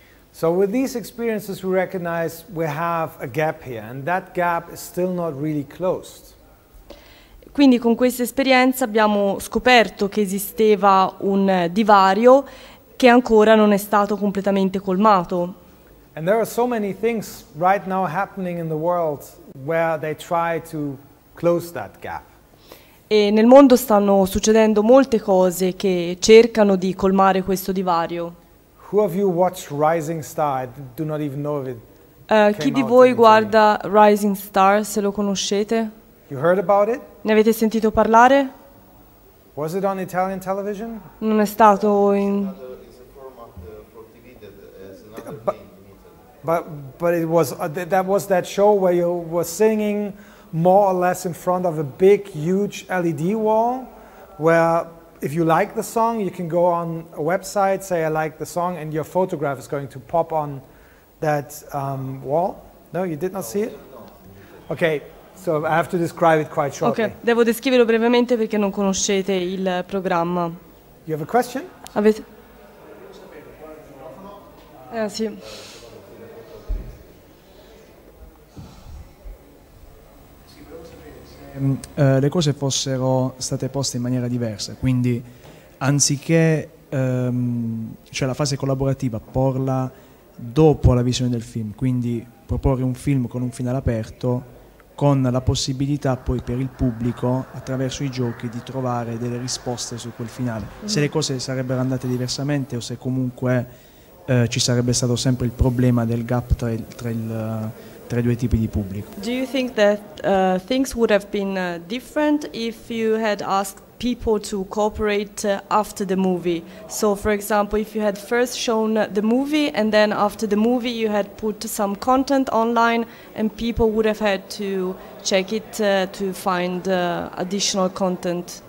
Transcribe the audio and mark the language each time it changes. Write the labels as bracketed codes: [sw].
[en] So with these experiences we recognize we have a gap here, and that gap is still not really closed. [it] Quindi con questa esperienza abbiamo scoperto che esisteva un divario che ancora non è stato completamente colmato. [en] And there are so many things right now happening in the world where they try to close that gap. [it] E nel mondo stanno succedendo molte cose che cercano di colmare questo divario. [en] Who of you watch Rising Star? I do not even know if it [it] chi di voi guarda Rising Star, se lo conoscete? [en] You heard about it? [it] Ne avete sentito parlare? [en] Was it on Italian television? [it] Non è stato in... [en] But it was, that was that show where you were singing more or less in front of a big, huge LED wall where if you like the song, you can go on a website, say I like the song, and your photograph is going to pop on that wall. No, you did not see it? Okay. So I have to describe it quite shortly. [it] Okay, devo descriverlo brevemente perché non conoscete il programma. [en] You have a question? [it] Avete? Sì. Le cose fossero state poste in maniera diversa, quindi anziché cioè la fase collaborativa porla dopo la visione del film, quindi proporre un film con un finale aperto, con la possibilità poi per il pubblico attraverso i giochi di trovare delle risposte su quel finale. Se le cose sarebbero andate diversamente o se comunque ci sarebbe stato sempre il problema del gap tra i due tipi di pubblico. [en] Do you think that things would have been different if you had asked people to cooperate after the movie. So, for example, if you had first shown the movie and then after the movie you had put some content online, and people would have had to check it to find additional content.